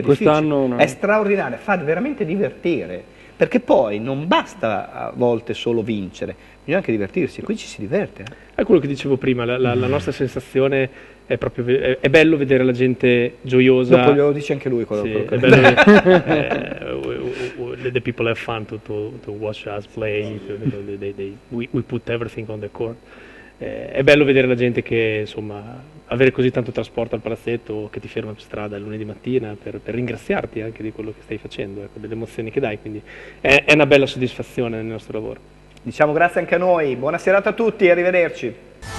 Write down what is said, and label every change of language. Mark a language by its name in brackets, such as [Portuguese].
[Italian] quest'anno è straordinaria, fa veramente divertire, perché poi non basta a volte solo vincere, bisogna anche divertirsi, qui ci si diverte. È quello che dicevo prima, la nostra sensazione è proprio, è bello vedere la gente gioiosa. Dopo glielo dice anche lui quello, sì, quello che è bello. [English] The people have fun to watch us play, we put everything on the court. [Italian] È bello vedere la gente che, insomma, avere così tanto trasporto al palazzetto, che ti ferma per strada il lunedì mattina per ringraziarti anche di quello che stai facendo, ecco, delle emozioni che dai, quindi è una bella soddisfazione nel nostro lavoro. Diciamo grazie anche a noi, buona serata a tutti, arrivederci.